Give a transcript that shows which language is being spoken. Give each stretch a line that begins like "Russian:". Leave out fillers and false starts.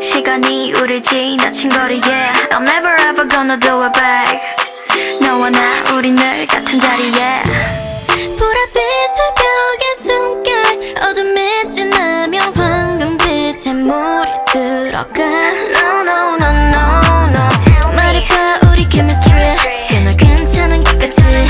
Korean: 시간이 우릴 지나친 거리.
English: Yeah, I'm never ever gonna do it back.
Korean: 너와 나 우리 늘 같은 자리. Yeah. 보랏빛의 벽의 숨결 어둠이 지나면 황금빛에 물이 들어가.
English: No no no no no.
Korean: 말해봐 우리 chemistry. 꽤나 괜찮은 것까지.